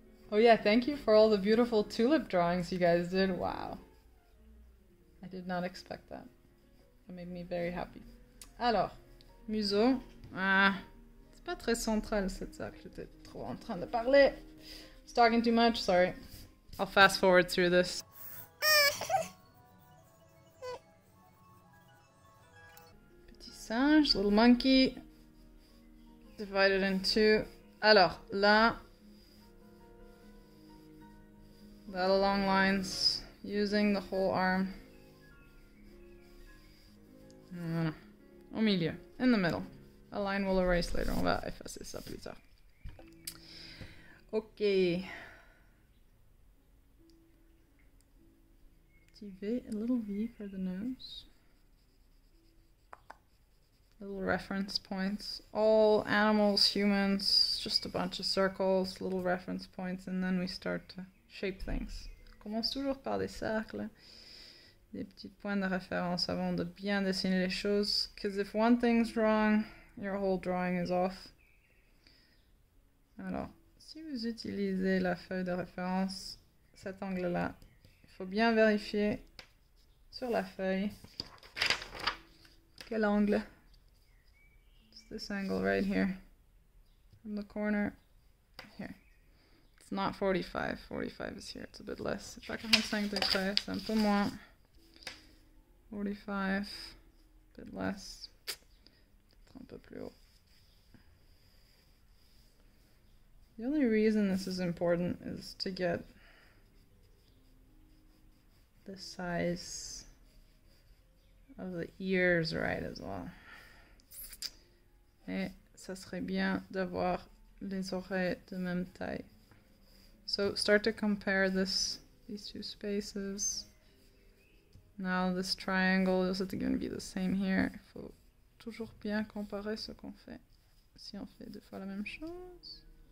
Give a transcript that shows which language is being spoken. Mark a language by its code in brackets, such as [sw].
[en] Oh yeah, thank you for all the beautiful tulip drawings you guys did, wow. I did not expect that. That made me very happy. [fr] Alors, museau, c'est pas très central cette salle, j'étais trop en train de parler. [en] It's talking too much, sorry. I'll fast forward through this. [fr] Petit singe, [en] little monkey. Divided in two. [fr] Alors, là. [en] That along lines, using the whole arm. [fr] Au milieu, [en] in the middle. A line will erase later, [fr] on va effacer ça plus tard. [en] Ok. [fr] Petit V, [en] a little V for the nose. Little reference points. All animals, humans, just a bunch of circles, little reference points, and then we start to shape things. [fr] On commence toujours par des cercles, des petits points de référence avant de bien dessiner les choses. [en] Because if one thing's wrong, your whole drawing is off. [fr] Alors, si vous utilisez la feuille de référence, cet angle-là, il faut bien vérifier sur la feuille quel angle. [en] It's this angle right here, from the corner, here. It's not 45, 45 is here, it's a bit less. [fr] C'est pas 45 degrés, c'est un peu moins. 45, [en] a bit less. [fr] Peut-être un peu plus haut. [en] The only reason this is important is to get the size of the ears right as well. [fr] Et ça serait bien d'avoir les oreilles de même taille. [en] So start to compare this, these two spaces. Now this triangle, is it going to be the same here? [fr] Il faut toujours bien comparer ce qu'on fait. Si on fait deux fois la même chose.